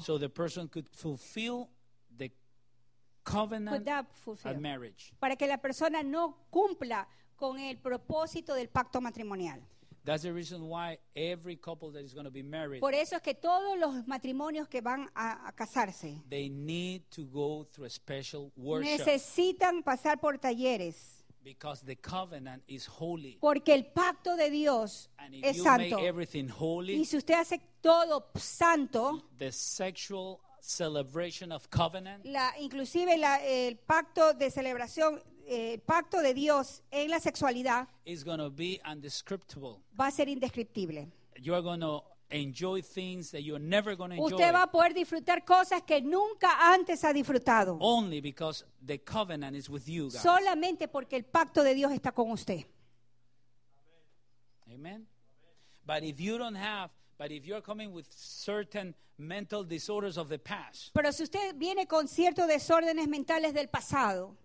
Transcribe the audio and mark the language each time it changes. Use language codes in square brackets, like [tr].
[en] So the person could fulfill the covenant at marriage. [es] Para que la persona no cumpla con el propósito del pacto matrimonial. [en] That's the reason why every couple that is going to be married. [es] Por eso es que todos los matrimonios que van a casarse. [en] They need to go through a special workshop. [es] Necesitan pasar por talleres. [en] Because the covenant is holy. [es] Porque el pacto de Dios [en] and if [es] es [en] you [es] santo. [en] Make everything holy, [es] y si usted hace todo santo, [en] the sexual celebration of covenant, [es] la, inclusive la, el pacto de celebración, el pacto de Dios en la sexualidad, [en] is going to be indescriptible. [es] Va a ser indescriptible. [en] You are going to enjoy things that you're never going to enjoy. [es] Usted va a poder disfrutar cosas que nunca antes ha disfrutado. [en] Only because the covenant is with you, guys. Solamente porque el pacto de Dios está con usted. Amen. But if you don't have, but if you're coming with certain mental disorders of the past, [es] pero si usted viene con ciertos desórdenes mentales del pasado,